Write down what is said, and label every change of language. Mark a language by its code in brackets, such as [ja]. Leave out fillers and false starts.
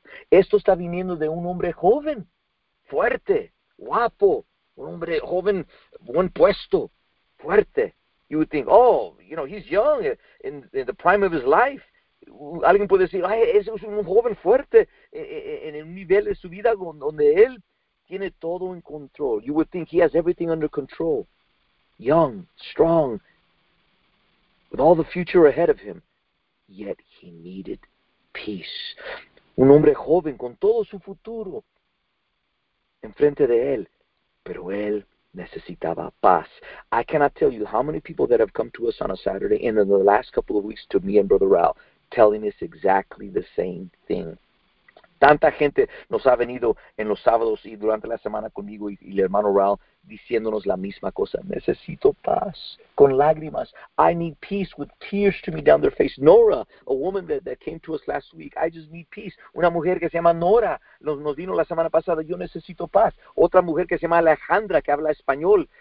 [es] Esto está viniendo de un hombre joven, fuerte, guapo, un hombre joven, buen puesto, fuerte. [en] You would think, oh, he's young, in the prime of his life. [es] Alguien puede decir, ay, ese es un joven fuerte, en un nivel de su vida donde él tiene todo en control. [en] You would think he has everything under control. Young, strong, with all the future ahead of him. Yet he needed peace. [es] Un hombre joven con todo su futuro enfrente de él, pero él necesitaba paz. [en] I cannot tell you how many people that have come to us on a Saturday and in the last couple of weeks to me and Brother Raúl telling us exactly the same thing. [es] tanta gente nos ha venido en los sábados y durante la semana conmigo y el hermano Raúl diciéndonos la misma cosa. Necesito paz, con lágrimas. [en] I need peace with tears streaming down their face. Nora, a woman that came to us last week. I just need peace. [es] Una mujer que se llama Nora nos vino la semana pasada. Yo necesito paz. Otra mujer que se llama Alejandra, que habla español.